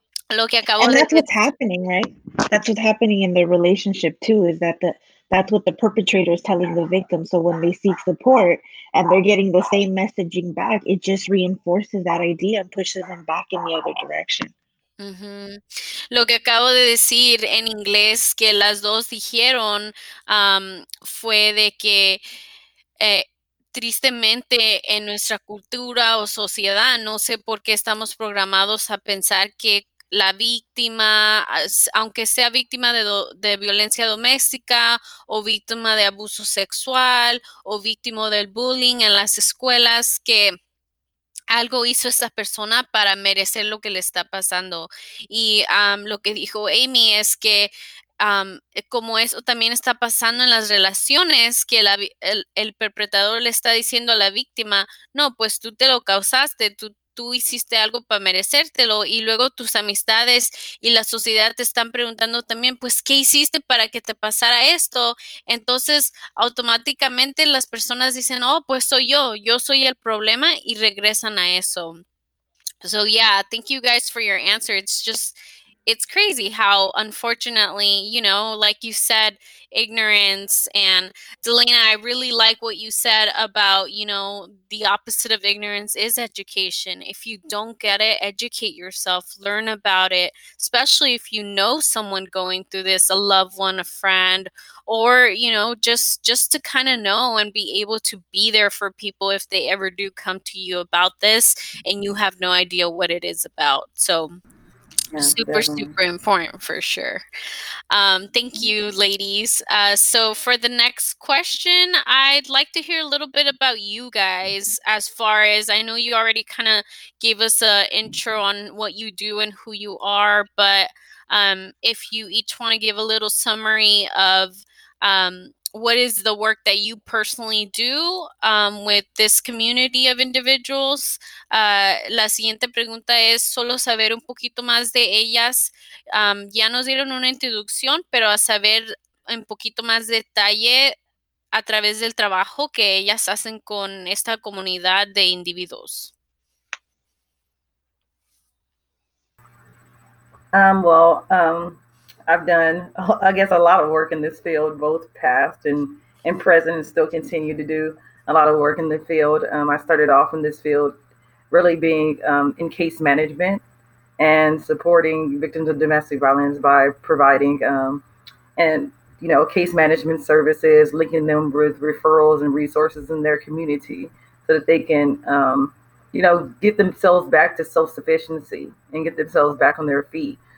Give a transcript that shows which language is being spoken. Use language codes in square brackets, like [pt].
[es] Lo que acabo [en] and that's de- what's happening, right? That's what's happening in their relationship too, is that that's what the perpetrator is telling the victim. So when they seek support and they're getting the same messaging back, it just reinforces that idea and pushes them back in the other direction. Mm-hmm. [es] Lo que acabo de decir en inglés que las dos dijeron fue de que tristemente en nuestra cultura o sociedad, no sé por qué estamos programados a pensar que la víctima, aunque sea víctima de violencia doméstica o víctima de abuso sexual o víctima del bullying en las escuelas, que algo hizo esa persona para merecer lo que le está pasando. Y lo que dijo Amy es que como eso también está pasando en las relaciones, que el perpetrador le está diciendo a la víctima, no, pues tú te lo causaste, tú hiciste algo para merecértelo, y luego tus amistades y la sociedad te están preguntando también, pues, ¿qué hiciste para que te pasara esto? Entonces, automáticamente las personas dicen, oh, pues soy yo soy el problema, y regresan a eso. [en] So, yeah, thank you guys for your answer. It's just, it's crazy how, unfortunately, you know, like you said, ignorance. And Delena, I really like what you said about, you know, the opposite of ignorance is education. If you don't get it, educate yourself, learn about it, especially if you know someone going through this, a loved one, a friend, or, you know, just to kind of know and be able to be there for people if they ever do come to you about this and you have no idea what it is about. So, yeah, super, definitely. Super important for sure. Thank you, ladies. So for the next question, I'd like to hear a little bit about you guys, as far as I know you already kind of gave us an intro on what you do and who you are. But if you each want to give a little summary of what is the work that you personally do with this community of individuals? [es] La siguiente pregunta es solo saber un poquito más de ellas. Ya nos dieron una introducción, pero a saber un poquito más detalle a través del trabajo que ellas hacen con esta comunidad de individuos. [en] I've done, I guess, a lot of work in this field, both past and present, and still continue to do a lot of work in the field. I started off in this field really being in case management and supporting victims of domestic violence by providing case management services, linking them with referrals and resources in their community so that they can, get themselves back to self-sufficiency and get themselves back on their feet.